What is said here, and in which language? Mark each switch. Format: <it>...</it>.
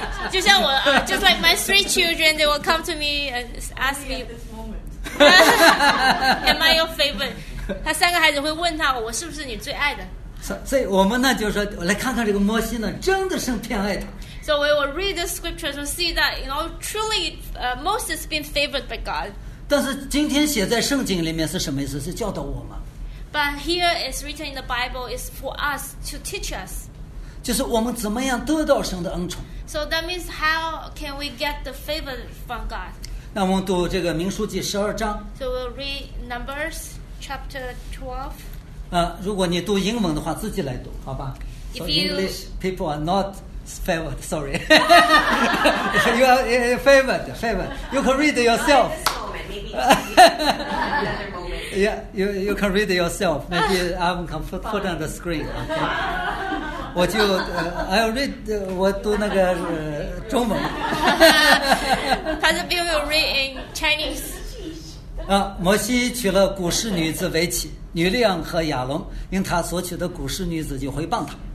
<zh>就像我</zh> <en>，just like my three children, they will come to me and ask me. Am I your favorite?</en> <zh>他三个孩子会问他，我是不是你最爱的？所以我们呢就是说来看看这个摩西呢真的是偏爱他。</zh> <en>So we will read the scriptures and see that, you know, truly, Moses has been favored by God.</en> <zh>但是今天写在圣经里面是什么意思？是教导我们。</zh> <en>But here it's written in the Bible, it's for us to teach us.</en> <zh>就是我们怎么样得到神的恩宠。</zh> <en>So that means how can we get the favor from God?</en> <zh>那我们读这个民数记十二章。</zh> <en>So we'll read Numbers chapter 12.</en> <zh>如果你读英文的话，自己来读，好吧？</zh> <en>If you... So English people are not... Favored, sorry. You are favored, favored. You can read yourself. This moment, maybe another moment. Yeah, you can read yourself. Maybe I can put on the screen. Okay.</en> <zh>我就</zh> <en>I'll read,</en> <zh>我读那个中文。他是</zh> <en>Bill will read in Chinese.</en> <zh>摩西娶了古示女子为妻，女利昂和亚龙，因他所娶的古示女子就回谤他。</zh>